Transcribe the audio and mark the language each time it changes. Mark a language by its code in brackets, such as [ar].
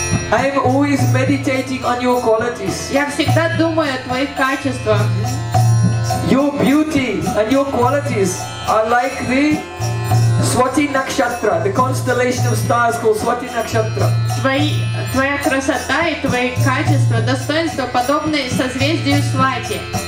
[en] I am always meditating on your qualities. [ru] Я всегда думаю о твоих качествах. [en] Your beauty and your qualities are like the Swati Nakshatra, the constellation of stars called Swati Nakshatra. [ru] Твоя красота и твои качества, достоинства подобны созвездию Свати.